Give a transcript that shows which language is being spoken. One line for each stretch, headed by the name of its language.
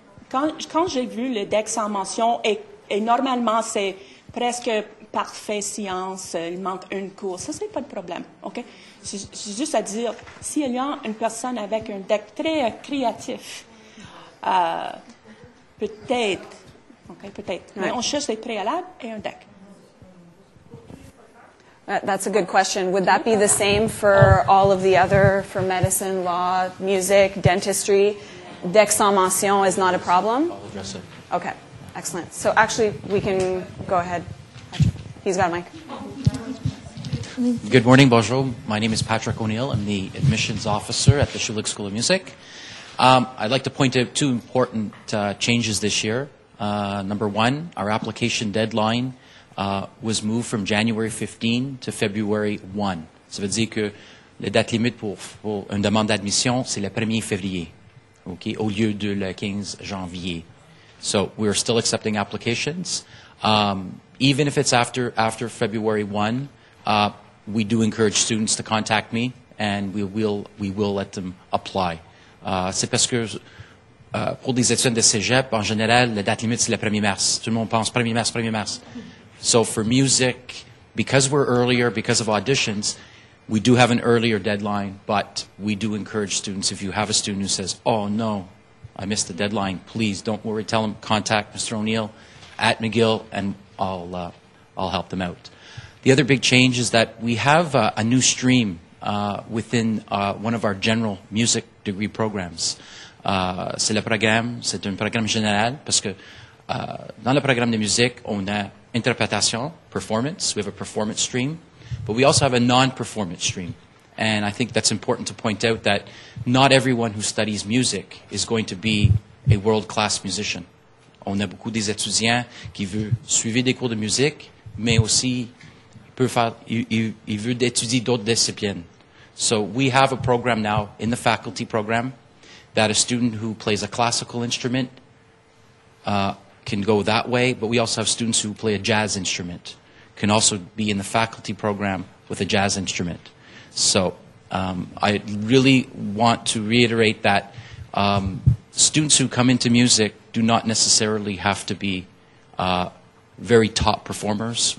French: Quand j'ai vu le DEC sans mention, et normalement, c'est presque parfait science, il manque une course, ça c'est pas de problème, ok? C'est juste à dire, s'il y a une personne avec un DEC très créatif, peut-être, ok, peut-être, mais on cherche les préalables et un DEC.
English: That's a good question. Would that be the same for all of the other, for medicine, law, music, dentistry? DEC sans mention is not a problem? I'll address it. Okay. Excellent. So actually, we can go ahead. He's got a mic. Good morning. Bonjour. My name is Patrick O'Neill. I'm the admissions officer at the Schulich School of Music. I'd like to point out two important changes this year. Number one, our application deadline was moved from January 15 to February 1.
French: Ça veut dire que la date limite pour une demande d'admission, c'est le 1er février, okay, au lieu de le 15 janvier.
English: So we are still accepting applications. Even if it's after February 1, we do encourage students to contact me, and we will let them apply.
French: C'est parce que pour des étudiants de cégep, en général, la date limite, c'est le 1er mars. Tout le monde pense 1er mars, 1er mars.
English: So for music, because we're earlier, because of auditions, we do have an earlier deadline, but we do encourage students, if you have a student who says, oh, no, I missed the deadline. Please, don't worry. Tell them, contact Mr. O'Neill at McGill, and I'll help them out. The other big change is that we have a new stream within one of our general music degree programs.
French: C'est le programme, c'est un programme général, parce que dans le programme de musique, on a interprétation, performance.
English: We have a performance stream, but we also have a non-performance stream. And I think that's important to point out that not everyone who studies music is going to be a world-class musician.
French: On a beaucoup des étudiants qui veulent suivre des cours de musique, mais aussi ils veulent étudier d'autres disciplines.
English: So we have a program now in the faculty program that a student who plays a classical instrument can go that way, but we also have students who play a jazz instrument can also be in the faculty program with a jazz instrument. So I really want to reiterate that students who come into music do not necessarily have to be very top performers.